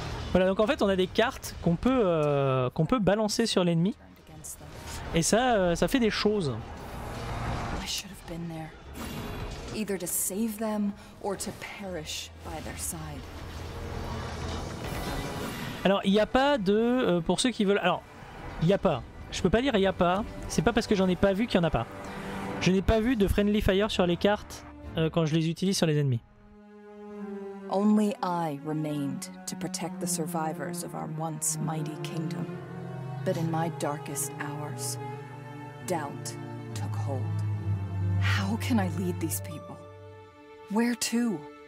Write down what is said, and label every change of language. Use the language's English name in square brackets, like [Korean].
[French] Voilà, donc en fait on a des cartes qu'on peut balancer sur l'ennemi et ça, ça fait des choses. [English] I should have been there, either to save them or to perish by their side. [French] Alors, il n'y a pas de... pour ceux qui veulent... Alors, il n'y a pas. Je peux pas dire il n'y a pas. C'est pas parce que j'en ai pas vu qu'il n'y en a pas. Je n'ai pas vu de friendly fire sur les cartes quand je les utilise sur les ennemis. [English] Only I remained to protect the survivors of our once mighty kingdom. But in my darkest hours, doubt took hold. How can I lead these people? Where to?